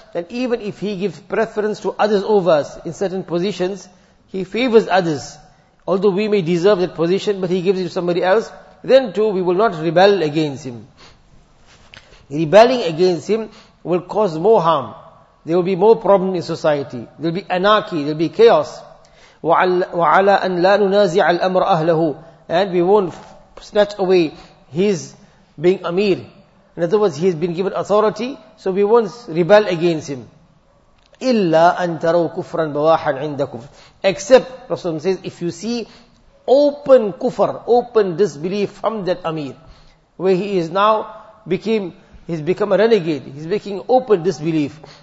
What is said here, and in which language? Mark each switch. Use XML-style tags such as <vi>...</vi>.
<en>And even if he gives preference to others over us in certain positions, he favors others. Although we may deserve that position, but he gives it to somebody else, then too we will not rebel against him. Rebelling against him will cause more harm. There will be more problems in society. There will be anarchy, there will be chaos.</en> <ar>وعلى أن لا ننازع الأمر أهله.</ar> <en>And we won't snatch away his being Amir. In other words, he has been given authority, so we won't rebel against him.</en> <ar>إِلَّا أَن تَرَوْ كُفْرًا بَوَاحًا عِنْدَكُمْ.</ar> <en>Except, Rasulullah says, if you see open kufr, open disbelief from that Amir, where he is now he's become a renegade, he's making open disbelief.</en>